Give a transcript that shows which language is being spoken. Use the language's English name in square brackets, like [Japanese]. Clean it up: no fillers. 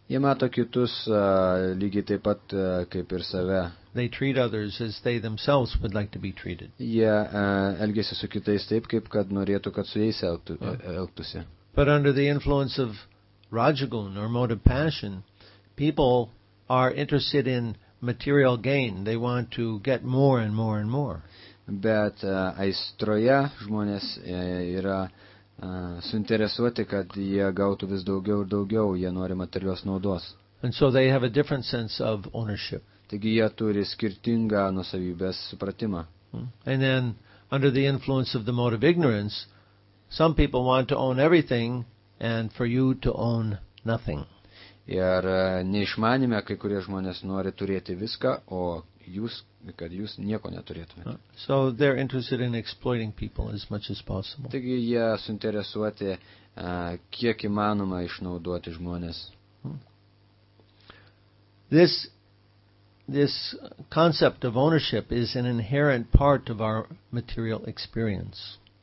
[Lithuanian] Jie mato kitus lygiai taip pat kaip ir save. [English] They treat others as they themselves would like to be treated. [Lithuanian] Jie elgiasi su kitais taip, kaip kad norėtų, kad su jais elgtųsi. [English] But under the influence of Rajagun or motive passion, people are interested in material gain. They want to get more and more and more. [Lithuanian] Bet aistroje žmonės yra suinteresuoti, kad jie gautų vis daugiau ir daugiau, jie nori materialios naudos. [English] And so they have a different sense of ownership. [Lithuanian] Taigi jie turi skirtingą nuosavybės supratimą. [English] And then under the influence of the mode of ignorance, some people want to own everything and for you to own nothing. [Lithuanian] Ir neišmanime, kai kurie žmonės nori turėti viską, o jūs, kad jūs nieko neturėtumėte. [English] So they're interested in exploiting people as much as possible. [Lithuanian] Taigi jie suinteresuoti, kiek įmanoma išnaudoti žmonės. [English] This concept of ownership is an inherent part of our material experience.